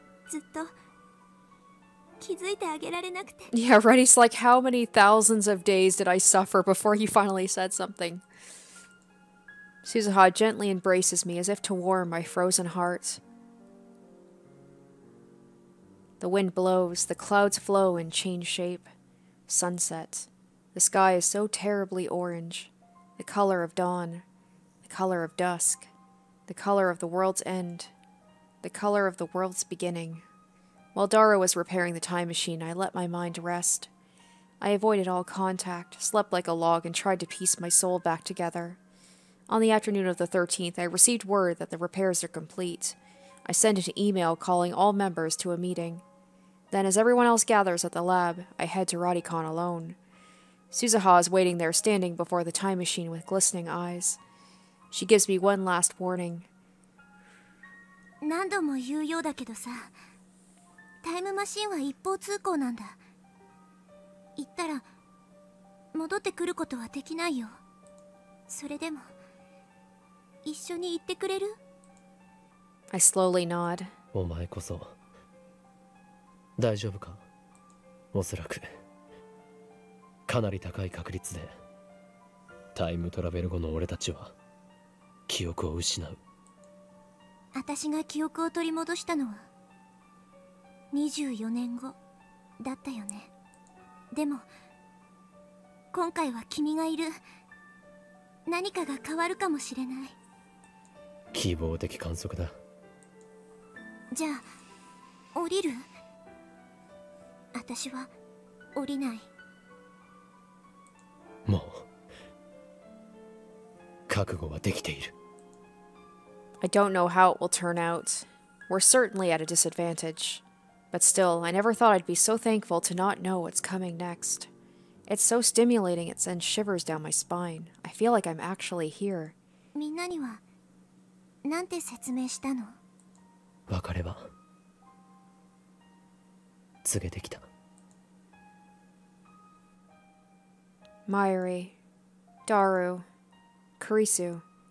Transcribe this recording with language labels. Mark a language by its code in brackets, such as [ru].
[ja] ずっと気づいてあげられなくて。 [en] Yeah, Reddy's like, how many thousands of days did I suffer before you finally said something? Suzuha gently embraces me as if to warm my frozen heart. The wind blows, the clouds flow and change shape. Sunset. The sky is so terribly orange. The color of dawn. The color of dusk. The color of the world's end. The color of the world's beginning. While Dara was repairing the time machine, I let my mind rest. I avoided all contact, slept like a log, and tried to piece my soul back together. On the afternoon of the 13th, I received word that the repairs are complete. I sent an email calling all members to a meeting. Then, as everyone else gathers at the lab, I head to Radikon alone. Suzuha is waiting there, standing before the time machine with glistening eyes. She gives me one last warning. [ja] 何度も言うようだけどさ、タイムマシンは一方通行なんだ。行ったら戻ってくることはできないよ。それでも一緒に行ってくれる？ [en] I slowly nod. [ja] お前こそ大丈夫か？おそらくかなり高い確率でタイムトラベル後の俺たちは記憶を失う。私が記憶を取り戻したのは24年後だったよね。でも今回は君がいる。何かが変わるかもしれない。希望的観測だ。じゃあ降りる？私は降りない。もう覚悟はできている。 [en] I don't know how it will turn out. We're certainly at a disadvantage. But still, I never thought I'd be so thankful to not know what's coming next. It's so stimulating it sends shivers down my spine. I feel like I'm actually here. Mayuri, Daru, Kurisu.